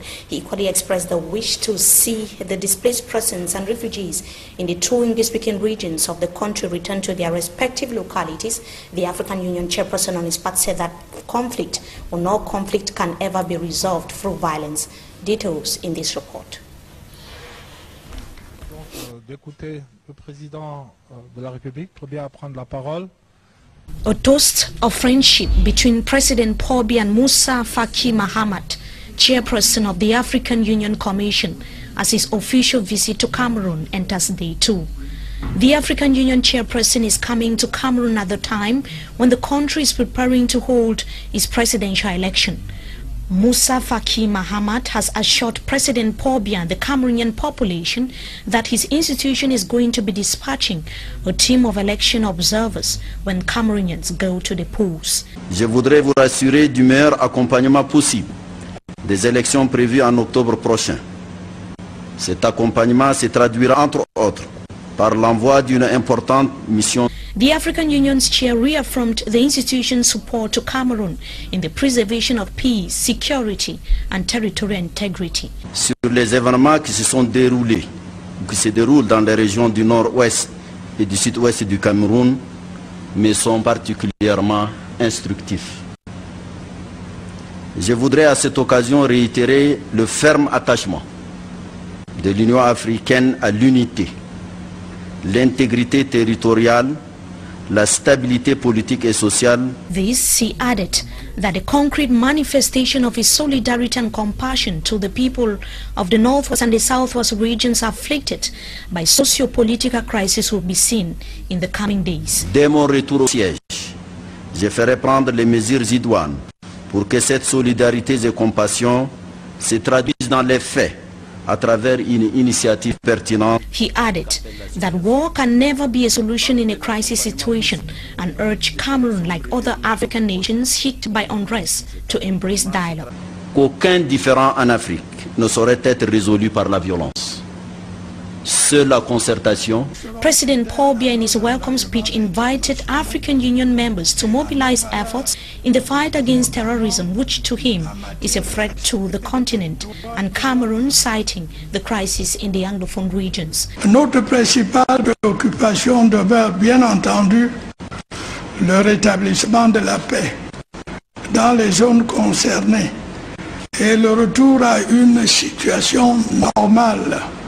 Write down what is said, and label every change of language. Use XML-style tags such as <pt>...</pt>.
<en>He equally expressed the wish to see the displaced persons and refugees in the two English-speaking regions of the country return to their respective localities. The African Union chairperson on his part said that conflict or no conflict can ever be resolved through violence. Details in this report.</en> <fr>D'écouter le président de la République pour bien prendre la parole.</fr> <en>A toast of friendship between President Paul Biya and Moussa Faki Mahamat, chairperson of the African Union Commission, as his official visit to Cameroon enters day two. The African Union chairperson is coming to Cameroon at the time when the country is preparing to hold its presidential election. Moussa Faki Mahamat has assured President Paul Biya and the Cameroonian population that his institution is going to be dispatching a team of election observers when Cameroonians go to the polls.</en> <fr>Je voudrais vous rassurer du meilleur accompagnement possible des élections prévues en octobre prochain. Cet accompagnement se traduira entre autres par l'envoi d'une importante mission.</fr> <en>The African Union's chair reaffirmed the institution's support to Cameroon in the preservation of peace, security and territorial integrity.</en> <fr>Sur les événements qui se sont déroulés ou qui se déroulent dans les régions du nord-ouest et du sud-ouest du Cameroun, mais sont particulièrement instructifs. Je voudrais à cette occasion réitérer le ferme attachement de l'Union africaine à l'unité, l'intégrité territoriale, la stabilité politique et sociale.</fr> <en>This, he added, that a concrete manifestation of his solidarity and compassion to the people of the northwest and the southwest regions afflicted by socio-political crisis will be seen in the coming days.</en> <fr>Dès mon retour au siège, je ferai prendre les mesures idoines pour que cette solidarité et compassion se traduisent dans les faits à travers une initiative pertinente.</fr> <en>He added that war can never be a solution in a crisis situation and urged Cameroon, like other African nations hit by unrest, to embrace dialogue.</en> <fr>Qu'aucun différend en Afrique ne saurait être résolu par la violence. Seule la concertation.</fr> <en>President Paul Biya in his welcome speech invited African Union members to mobilize efforts in the fight against terrorism, which to him is a threat to the continent, and Cameroon, citing the crisis in the Anglophone regions.</en> <fr>Notre principale préoccupation devait bien entendu le rétablissement de la paix dans les zones concernées et le retour à une situation normale.</fr>